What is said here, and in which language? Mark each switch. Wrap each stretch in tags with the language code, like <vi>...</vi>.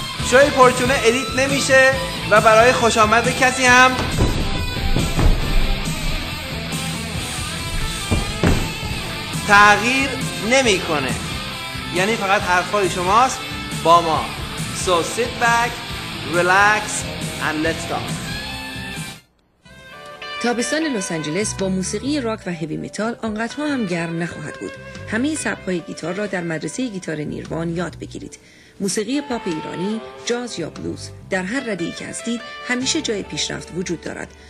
<fa>شوی پرچونه ادیت نمیشه و برای خوش آمد کسی هم تغییر نمی کنه. یعنی فقط حرفای شماست با ما.</fa> <en>So sit back, relax and let's talk.</en> <fa>تابستان لس آنجلس با موسیقی راک و هوی متال آنقدرها هم گرم نخواهد بود. همه سبک‌های گیتار را در مدرسه گیتار نیروان یاد بگیرید. موسیقی پاپ ایرانی، جاز یا بلوز، در هر رده‌ای که هستید همیشه جای پیشرفت وجود دارد.</fa>